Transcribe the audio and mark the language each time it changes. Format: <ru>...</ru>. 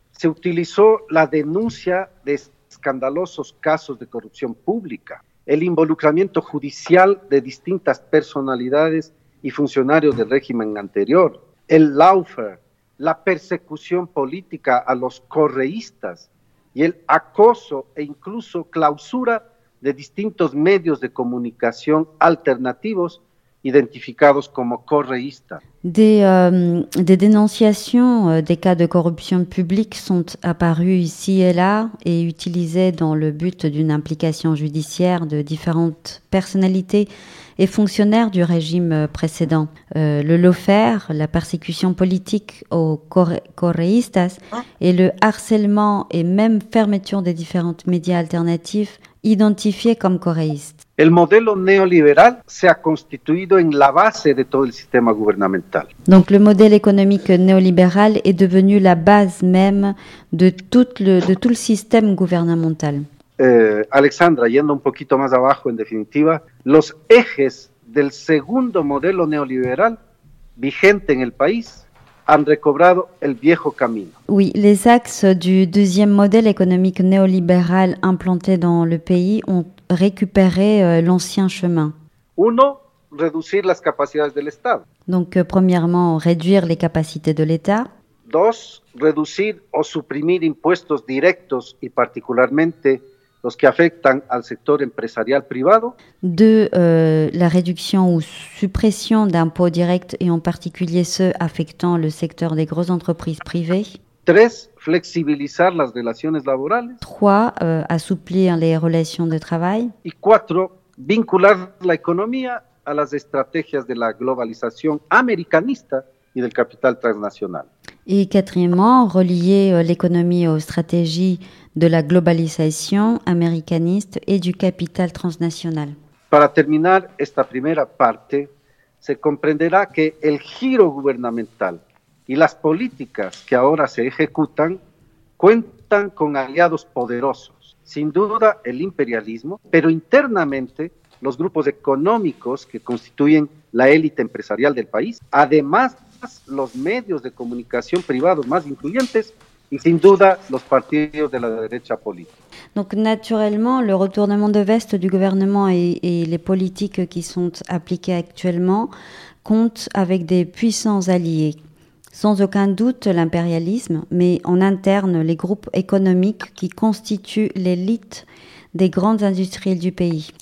<es>Se utilizó la denuncia de escandalosos casos de corrupción pública, el involucramiento judicial de distintas personalidades y funcionarios del régimen anterior, el lawfare, la persecución política a los correístas y el acoso e incluso clausura de distintos medios de comunicación alternativos identificados como correístas.</es> <fr>Des dénonciations des cas de corruption publique sont apparues ici et là et utilisées dans le but d'une implication judiciaire de différentes personnalités et fonctionnaires du régime précédent. Le lawfare, la persécution politique aux correístas et le harcèlement et même fermeture des différentes médias alternatifs identifiés comme correístas.</fr> <es>El modelo neoliberal se ha constituido en la base de todo el sistema gubernamental.</es> <fr>Donc le modèle économique néolibéral est devenu la base même de tout le système gouvernemental.</fr> <es>Alexandra, yendo un poquito más abajo en definitiva, los ejes del segundo modelo neoliberal vigente en el país han recobrado el viejo camino.</es> <fr>Oui, les axes du deuxième modèle économique néolibéral implanté dans le pays ont récupéré l'ancien chemin.</fr> <es>Uno, reducir las capacidades del Estado.</es> <fr>Donc, premièrement, réduire les capacités de l'État.</fr> <es>Dos, reducir o suprimir impuestos directos y particularmente los que afectan al sector empresarial privado.</es> <fr>Deux, la réduction ou suppression d'impôts directs et en particulier ceux affectant le secteur des grosses entreprises privées.</fr> <es>Tres, flexibilizar las relaciones laborales.</es> <fr>Trois, assouplir les relations de travail.</fr> <es>Y cuatro, vincular la economía a las estrategias de la globalización americanista y del capital transnacional.</es> <fr>Et quatrièmement, relier l'économie aux stratégies de la globalización americaniste et du capital transnacional.</fr> <es>Para terminar esta primera parte, se comprenderá que el giro gubernamental y las políticas que ahora se ejecutan cuentan con aliados poderosos, sin duda el imperialismo, pero internamente los grupos económicos que constituyen la élite empresarial del país, además los medios de comunicación privados más influyentes y sin duda los partidos de la derecha política.</es> <fr>Donc naturellement, le retournement de veste du gouvernement et les politiques qui sont appliquées actuellement comptent avec des puissants alliés. Sans aucun doute, l'impérialisme, mais en interne, les groupes économiques qui constituent l'élite des grandes industries du pays.</fr>